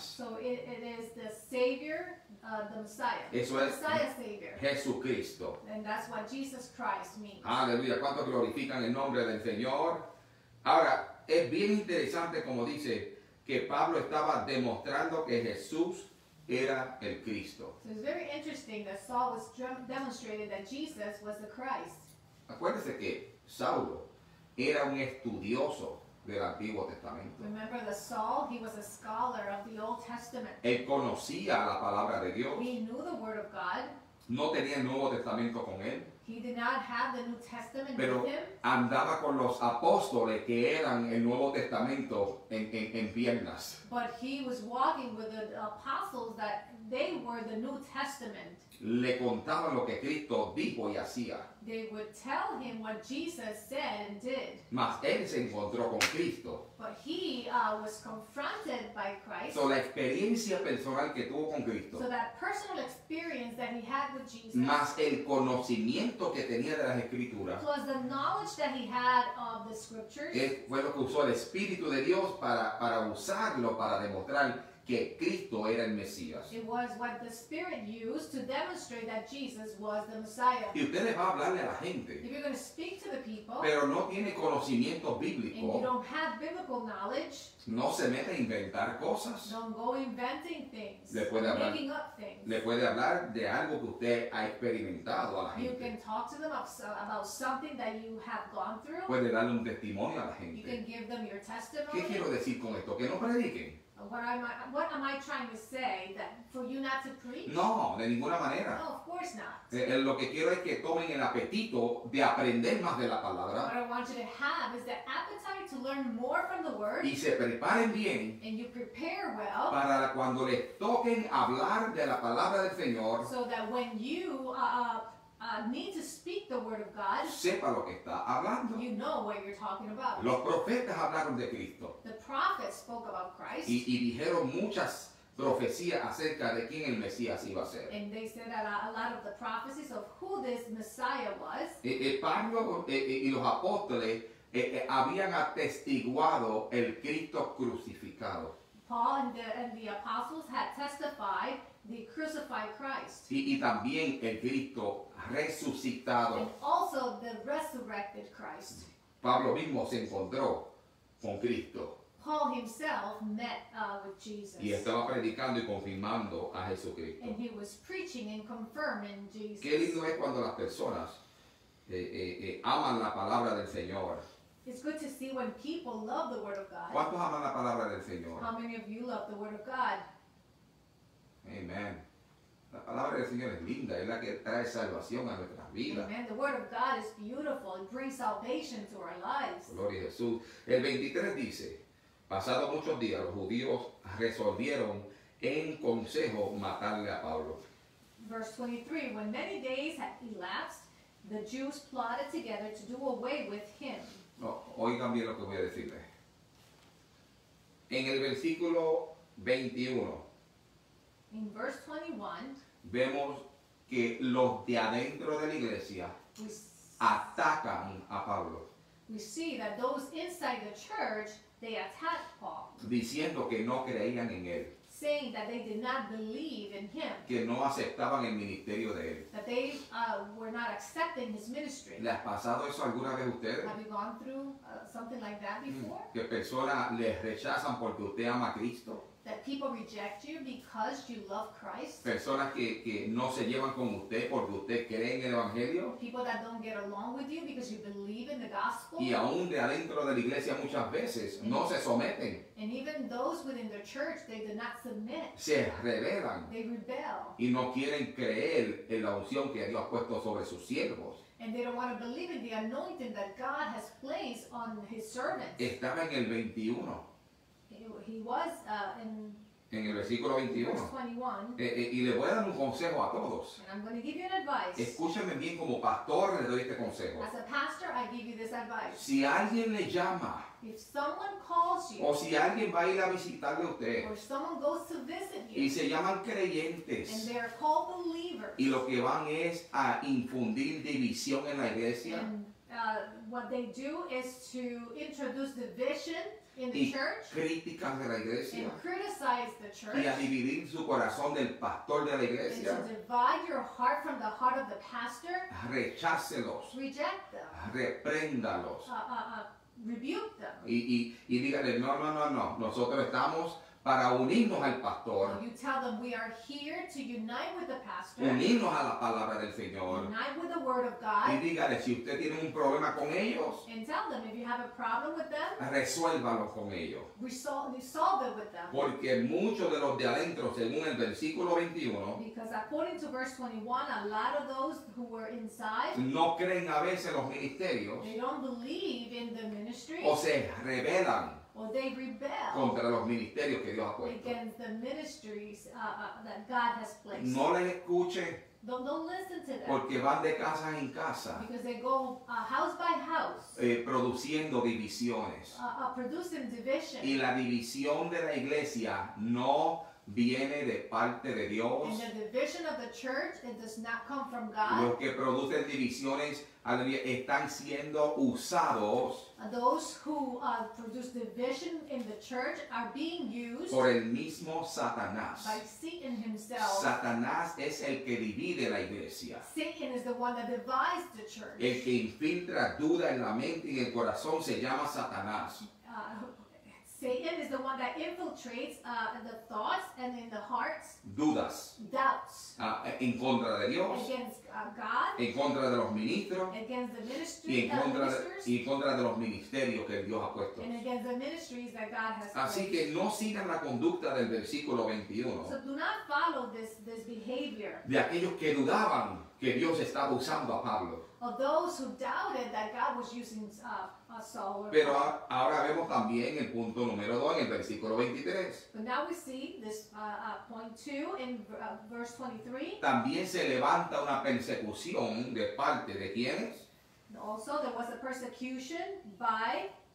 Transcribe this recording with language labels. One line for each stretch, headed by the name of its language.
English: So it is the Savior. The Messiah.
Spanish: Eso es Savior. Jesucristo.
English: And that's what Jesus Christ means.
Spanish: Aleluya. ¿Cuántos glorifican el nombre del Señor? Ahora, es bien interesante como dice que Pablo estaba demostrando que Jesús era el Cristo.
English: So it's very interesting that Saul was demonstrated that Jesus was the Christ.
Spanish: Acuérdese que Saulo era un estudioso del Antiguo Testamento.
English: Remember the Saul? He was a scholar of the Old Testament.
Spanish: Él conocía la palabra de Dios.
English: He knew the Word of God.
Spanish: No tenía el Nuevo Testamento con él.
English: He did not have the New Testament
Spanish: Pero
English: with him.
Spanish: Pero andaba con los apóstoles que eran el Nuevo Testamento en piernas.
English: But he was walking with the apostles that they were the New Testament.
Spanish: Le contaban lo que Cristo dijo y hacía.
English: They would tell him what Jesus said and did.
Spanish: Mas él se encontró con Cristo.
English: But he was confronted by Christ.
Spanish: So la experiencia personal que tuvo con Cristo.
English: So that personal experience that he had with Jesus.
Spanish: Mas el conocimiento que tenía de las Escrituras.
English: Was the knowledge that he had of the Scriptures.
Spanish: Que fue lo que usó el Espíritu de Dios para usarlo, para demostrar que Cristo era el Mesías.
English: It was what the Spirit used to demonstrate that Jesus was the Messiah.
Spanish: Y usted le va a hablarle a la gente.
English: If you're going to speak to the people.
Spanish: Pero no tiene conocimiento bíblico.
English: And you don't have biblical knowledge.
Spanish: No se mete a inventar cosas.
English: Don't go inventing things.
Spanish: Le puede hablar,
English: making up things.
Spanish: Le puede hablar de algo que usted ha experimentado a la gente.
English: You can talk to them about something that you have gone through.
Spanish: Puede darle un testimonio a la gente.
English: You can give them your testimony.
Spanish: ¿Qué quiero decir con esto? Que no prediquen.
English: What am I trying to say, that for you not to preach?
Spanish: No, de ninguna manera.
English: No, of course not.
Spanish: Lo que quiero es que tomen el apetito de aprender más de la palabra.
English: What I want you to have is the appetite to learn more from the word.
Spanish: Y se preparen bien.
English: And you prepare well.
Spanish: Para cuando les toquen hablar de la palabra del Señor.
English: So that when you need to speak the word of God.
Spanish: Sepa lo que está hablando.
English: You know what you're talking about.
Spanish: Los profetas hablaron de Cristo.
English: The prophets spoke about Christ.
Spanish: Y dijeron muchas profecías acerca de quién el Mesías iba a ser.
English: And they said that a lot of the prophecies of who this Messiah was.
Spanish: Pablo y los apóstoles habían atestiguado el Cristo crucificado.
English: Paul and the apostles had testified the crucified Christ.
Spanish: Y también el Cristo resucitado.
English: And also the resurrected Christ.
Spanish: Pablo mismo se encontró con Cristo.
English: Paul himself met with Jesus.
Spanish: Y estaba predicando y confirmando a Jesucristo.
English: And he was preaching and confirming Jesus.
Spanish: Qué lindo es cuando las personas aman la palabra del Señor.
English: It's good to see when people love the word of God.
Spanish: ¿Cuántos aman la palabra del Señor?
English: How many of you love the word of God? Amen.
Spanish: La palabra del Señor es linda, es la que trae salvación a nuestras vidas.
English: Amen. The word of God is beautiful. It brings salvation to our lives.
Spanish: Gloria a Jesús. El 23 dice, pasado muchos días, los judíos resolvieron en consejo matarle a Pablo.
English: Verse 23, when many days had elapsed, the Jews plotted together to do away with him.
Spanish: Oigan bien lo que voy a decirle. En el versículo 21,
English: in verse 21,
Spanish: vemos que los de adentro de la iglesia atacan a Pablo.
English: We see that those inside the church, they attack Paul.
Spanish: Diciendo que no creían en él.
English: Saying that they did not believe in him.
Spanish: Que no aceptaban el ministerio de él.
English: That they were not accepting his ministry.
Spanish: ¿Le ha pasado eso alguna vez a ustedes?
English: Have you gone through something like that before?
Spanish: Que personas les rechazan porque usted ama a Cristo.
English: That people reject you because you love Christ.
Spanish: Personas que no se llevan con usted porque usted cree en el Evangelio.
English: People that don't get along with you because you believe in the gospel.
Spanish: Y aún de adentro de la iglesia muchas veces no se someten.
English: And even those within the church, they do not submit.
Spanish: Se rebelan.
English: They rebel.
Spanish: Y no quieren creer en la unción que Dios ha puesto sobre sus siervos.
English: And they don't want to believe in the anointing that God has placed on his servants.
Spanish: Estaba en el 21.
English: He was in
Spanish: en el versículo 21. Y le voy a dar un consejo a todos.
English: And I'm going to give you an advice.
Spanish: Escúchame bien, como pastor le doy este consejo.
English: As a pastor, I give you this advice.
Spanish: Si alguien le llama,
English: if someone calls you,
Spanish: o si alguien va a ir a visitarle a usted,
English: or someone goes to visit you,
Spanish: y se llaman creyentes,
English: and they're called believers,
Spanish: y lo que van es a infundir división en la iglesia,
English: what they do is to introduce division in the
Spanish: y
English: church,
Spanish: críticas de la iglesia,
English: and criticize the church,
Spanish: y a dividir su corazón del pastor de la iglesia,
English: and to divide your heart from the heart of the pastor,
Spanish: rechácelos,
English: reject them,
Spanish: repréndalos,
English: rebuke them,
Spanish: y dígale, no, nosotros estamos para unirnos al pastor.
English: You tell them we are here to unite with the pastor.
Spanish: Unirnos a la palabra del Señor.
English: Unite with the word of God.
Spanish: Y dígale, si usted tiene un problema con ellos,
English: and tell them if you have a problem with them,
Spanish: resuélvalo con ellos.
English: Resolve it with them.
Spanish: Porque muchos de los de adentro, según el versículo 21,
English: because according to verse 21, a lot of those who were inside,
Spanish: no creen a veces los ministerios.
English: They don't believe in the ministry.
Spanish: O se rebelan.
English: Well, they rebel
Spanish: contra los ministerios que Dios ha puesto.
English: Against the ministries that God has placed.
Spanish: No les escuche.
English: Don't listen to them.
Spanish: Porque van de casa en casa.
English: Because they go house by house.
Spanish: Produciendo divisiones.
English: Producing division.
Spanish: Y la división de la iglesia no viene de parte de Dios.
English: And the division of the church, it does not come from God.
Spanish: Los que producen divisiones, aleluya, están siendo usados.
English: Those who produce division in the church are being used
Spanish: por el mismo Satanás.
English: By Satan himself.
Spanish: Satanás es el que divide la iglesia.
English: Satan is the one that divides the church.
Spanish: El que infiltra duda en la mente y en el corazón se llama Satanás.
English: Satan is the one that infiltrates the thoughts and in the hearts.
Spanish: Dudas.
English: Doubts.
Spanish: En contra de Dios.
English: Against God.
Spanish: En contra de los ministros.
English: Against the ministry.
Spanish: Y en contra de los ministerios que Dios ha puesto.
English: And against the ministries that God has placed.
Spanish: Así que no sigan la conducta del versículo 21.
English: So do not follow this behavior.
Spanish: De aquellos que dudaban que Dios estaba usando a Pablo.
English: Of those who doubted that God was using Saul.
Spanish: Pero ahora vemos también el punto número 2 en el versículo 23.
English: But now we see this point 2 in verse 23.
Spanish: También se levanta una persecución de parte de ¿quiénes?
English: Also there was a persecution by